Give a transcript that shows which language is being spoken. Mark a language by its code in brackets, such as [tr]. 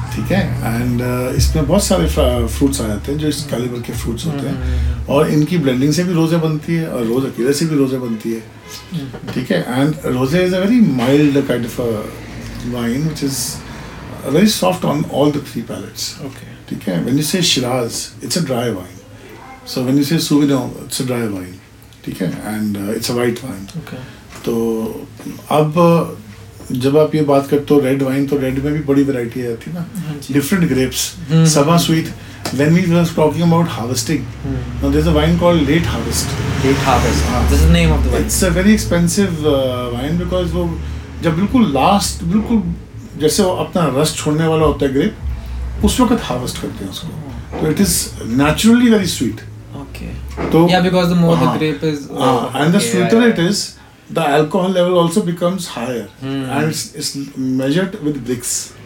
[hi] ठीक है and इसमें बहुत सारे fruits आ जाते हैं जो इस caliber के fruits होते हैं और इनकी blending से भी rosé बनती है और rosé अकेले से भी rosé बनती है. [en] ठीक है and rosé is a very mild kind of a wine which is very soft on all the three palates. Okay. Okay. When you say Shiraz, it's a dry wine. So when you say Sauvignon, it's a dry wine. Okay. And it's a white wine. Okay. So, now, when you talk about red wine, to red mein bhi badi variety hai, na? Different grapes. Sabha sweet. When we were talking about harvesting, now there's a wine called Late Harvest. Late Harvest. This is the name of the wine. [hi] It's a very expensive wine because wo, jab bilkul last, bilkul जैसे वो अपना रस छोड़ने वाला होता है grep उस वक्त हार्वेस्ट करते हैं उसको तो it is naturally very sweet. [en] Okay. [hi] तो [en] या because the more the grape is and the sweeter it is the alcohol level also becomes higher and it's measured with Brix.